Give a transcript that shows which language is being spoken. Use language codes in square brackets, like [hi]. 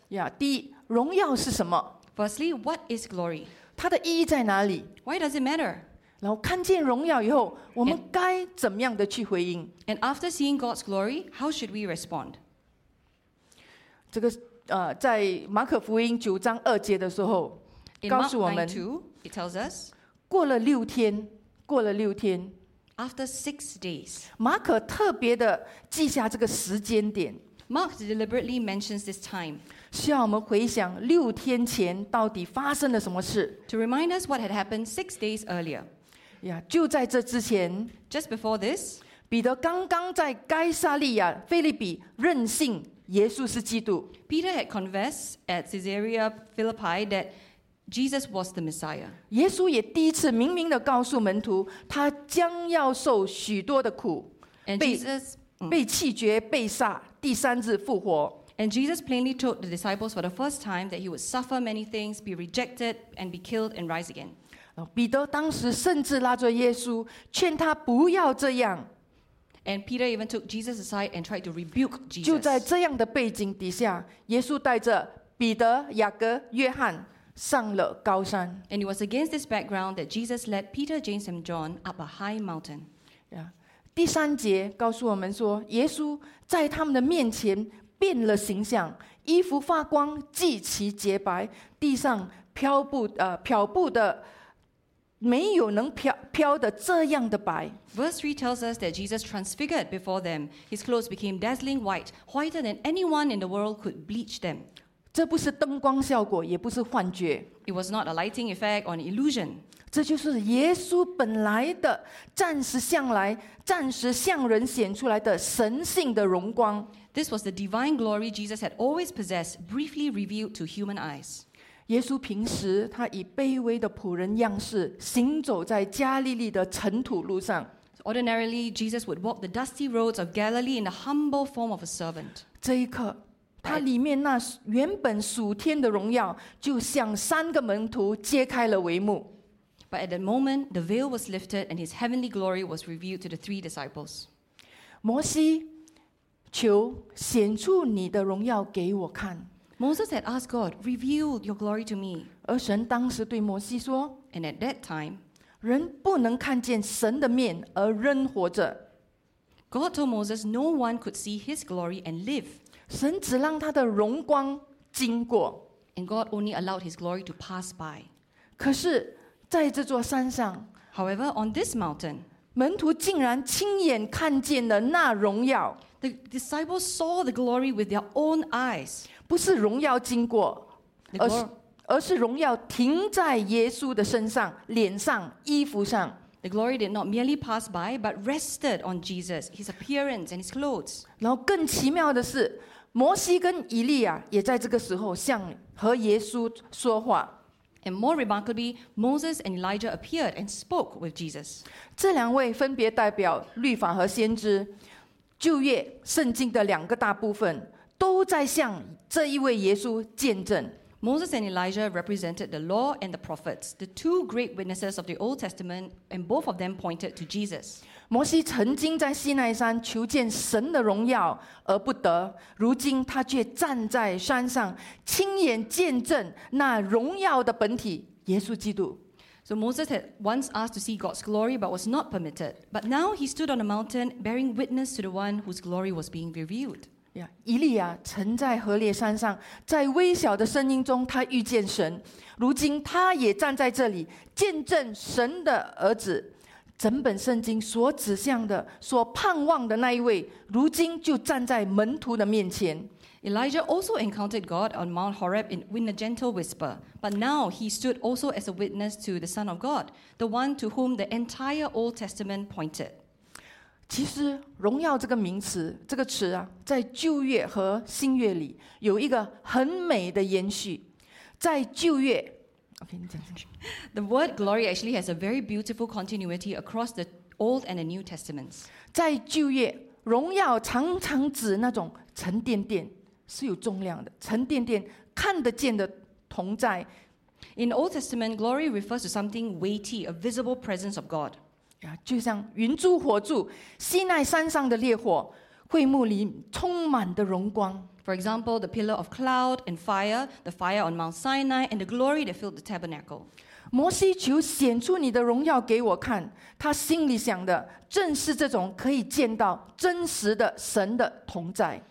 [zh] Yeah, 第一，荣耀是什么？ [en] Firstly, what is glory? [zh] 它的意义在哪里？ [en] Why does it matter? [zh] 然后看见荣耀以后，我们该怎么样的去回应？ [en] And after seeing God's glory, how should we respond? [zh] 这个在马可福音九章二节的时候，告诉我们 [en] ，In Mark 9:2, it tells us, [zh] 过了六天，过了六天。 [en] After 6 days, [zh] 马可特别的记下这个时间点。 [en] Mark deliberately mentions this time, [zh] 需要我们回想六天前到底发生了什么事。 [en] To remind us what had happened 6 days earlier. [zh] Yeah, 就在这之前 [en] ，just before this, [zh] 彼得刚刚在该撒利亚腓立比认信耶稣是基督。 [en] Peter had confessed at Caesarea Philippi that. Jesus was the Messiah. [zh] 耶稣也第一次明明地告诉门徒，他将要受许多的苦， [en] And Jesus, [zh] 被弃绝、被杀，第三日复活。 [en] And Jesus plainly told the disciples for the first time that he would suffer many things, be rejected, and be killed and rise again. [zh] 彼得当时甚至拉着耶稣，劝他不要这样。 [en] And Peter even took Jesus aside and tried to rebuke Jesus. [zh] 就在这样的背景底下，耶稣带着彼得、雅各、约翰。上了高山。 [en] And it was against this background that Jesus led Peter, James, and John up a high mountain. Yeah. [zh] 第三节告诉我们说，耶稣在他们的面前变了形象，衣服发光，极其洁白，地上漂布的没有能飘的这样的白。 [en] Verse 3 tells us that Jesus transfigured before them. His clothes became dazzling white, whiter than anyone in the world could bleach them. [zh] 这不是灯光效果，也不是幻觉。 [en] It was not a lighting effect or an illusion. [zh] 这就是耶稣本来的暂时向来、暂时向人显出来的神性的荣光。 [en] This was the divine glory Jesus had always possessed, briefly revealed to human eyes. [zh] 耶稣平时他以卑微的仆人样式行走在加利利的尘土路上。 [en] Ordinarily, Jesus would walk the dusty roads of Galilee in the humble form of a servant. [zh] 这一刻。他里面那原本属天的荣耀，就向三个门徒揭开了帷幕。 [en] But at that moment, the veil was lifted, and his heavenly glory was revealed to the three disciples. [zh] 摩西，求显出你的荣耀给我看。 [en] Moses had asked God, "Reveal your glory to me." [zh] 而神当时对摩西说 [en] And at that time, [zh] 人不能看见神的面而仍活着 [en] God told Moses, no one could see his glory and live. [zh] 神只让他的荣光经过 [en] And God only allowed his glory to pass by. [zh] 可是在这座山上 [en] However, on this mountain, [zh] 门徒竟然亲眼看见了那荣耀 [en] The disciples saw the glory with their own eyes. [zh] 不是荣耀经过而是荣耀停在耶稣的身上、脸上、衣服上。 [en] The glory did not merely pass by, but rested on Jesus, his appearance and his clothes. [zh] 然后更奇妙的是，摩西跟以利亚也在这个时候向和耶稣说话。 [en] And more remarkably, Moses and Elijah appeared and spoke with Jesus. [zh] 这两位分别代表律法和先知，旧约圣经的两个大部分，都在向这一位耶稣见证。 [en] Moses and Elijah represented the law and the prophets, the two great witnesses of the Old Testament, and both of them pointed to Jesus. [zh] 摩西曾经在西奈山求见神的荣耀而不得，如今他却站在山上，亲眼见证那荣耀的本体，耶稣基督。 [en] So Moses had once asked to see God's glory, but was not permitted. But now he stood on a mountain, bearing witness to the one whose glory was being revealed. [zh] 以利亚曾在何烈山上在微小的声音中他遇见神如今他也站在这里见证神的儿子整本圣经所指向的所盼望的那一位如今就站在门徒的面前 [en] Elijah also encountered God on Mount Horeb in a gentle whisper but now he stood also as a witness to the Son of God the one to whom the entire Old Testament pointed [zh] 其实荣耀这个名词这个词啊在旧约和新约里有一个很美的延续在旧约 okay, 你讲 [en] The word glory actually has a very beautiful continuity across the Old and the New Testaments [zh] 在旧约荣耀常常指那种沉甸甸是有重量的沉甸甸看得见的同在 [en] In Old Testament glory refers to something weighty a visible presence of God [zh] 就像云柱火柱西奈山上的烈火会幕里充满的荣光 [en] For example, the pillar of cloud and fire the fire on Mount Sinai and the glory that filled the tabernacle [zh] 摩西求显出你的荣耀给我看他心里想的正是这种可以见到真实的神的同在